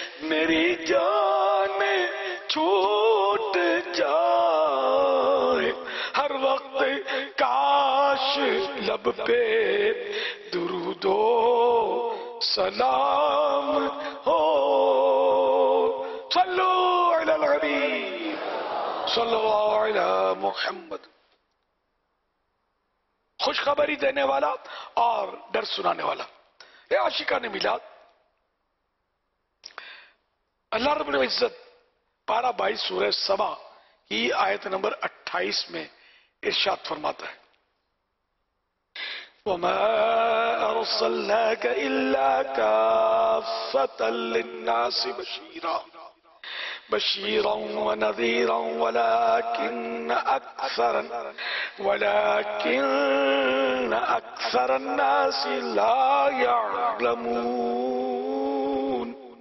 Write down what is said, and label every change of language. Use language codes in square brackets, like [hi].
[ur] میری جان چھوٹ جائے، ہر وقت کاش لب پہ درود و سلام ہو. [ar] صلو علی الحبیب صلو علی محمد. [ur] خوشخبری دینے والا اور ڈر سنانے والا، اے عاشقان میلاد، اللہ رب العزت پارہ 22 سورہ سبا کی آیت نمبر 28 میں ارشاد فرماتا ہے، [ar] وَمَا أَرْسَلْنَاكَ إِلَّا كَافَّةً لِلنَّاسِ بَشِيرًا بَشِيرًا وَنَذِيرًا وَلَكِنَّ أَكْثَرَ النَّاسِ لَا يَعْلَمُونَ.